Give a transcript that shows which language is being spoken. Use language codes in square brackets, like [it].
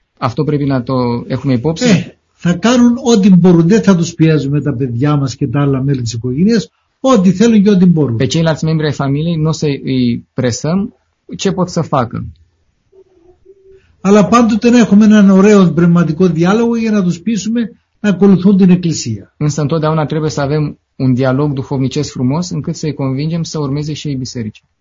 [el] Αυτό πρέπει να το έχουμε υπόψη. Θα κάνουν ό,τι μπορούν. Δεν θα τους πιέζουμε τα παιδιά μας και τα άλλα μέλη της οικογένειας. Ό,τι θέλουν και ό,τι μπορούν. [ro] Pe ceilalți membri ai familiei, nu să îi presăm ce pot să facă. [el] Αλλά πάντοτε να έχουμε έναν ωραίο πνευματικό διάλογο για να τους πείσουμε να ακολουθούν την Εκκλησία. [ro] Însă întotdeauna trebuie să avem un dialog duhovnicesc frumos încât să-i convingem să urmeze și ei biserica.